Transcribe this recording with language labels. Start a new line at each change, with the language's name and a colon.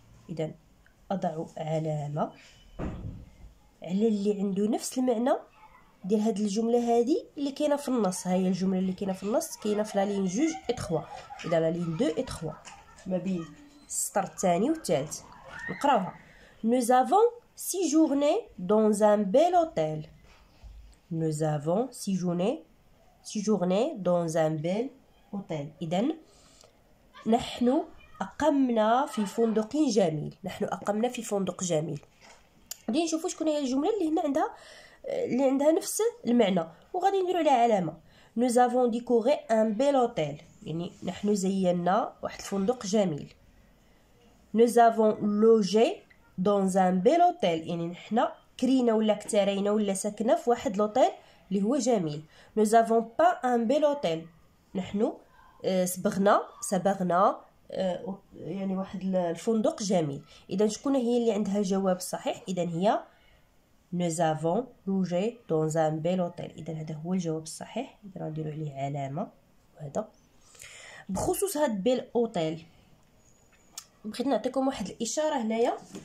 Arabic: إذا أضع علامة على اللي عنده نفس المعنى ديال هاد الجملة هادي اللي كاينة في النص. هاي الجملة اللي كاينة في النص كاينة في لالين جوج اي تخوا، إذا لالين دو اي تخوا ما بين السطر الثاني والثالث. نقراوها.
French: Nous avons séjourné dans un bel hôtel. Nous avons séjourné dans un bel hôtel.
Arabic: إذن نحن أقمنا في فندق جميل. نحن أقمنا في فندق جميل. غادي نشوفوا شكون هي الجملة اللي هنا عندها نفس المعنى وغادي نديروا عليها علامة.
French: Nous avons décoré un bel hôtel.
Arabic: يعني نحن زينا واحد الفندق جميل.
French: Nous avons logé dans un bel hôtel.
Arabic: يعني نحن كرينا ولا اكترينا ولا سكنا في واحد الهوتيل اللي هو جميل.
French: Nous avons pas un bel hôtel.
Arabic: نحن سبغنا يعني واحد الفندق جميل. إذا شكون هي اللي عندها الجواب الصحيح؟ إذا هي
French: Nous avons logé dans un bel hôtel.
Arabic: إذا هذا هو الجواب الصحيح. إذا نديرو عليه علامة. وهذا بخصوص هاد بيل اوتيل، بغيت نعطيكم واحد الإشارة هنايا.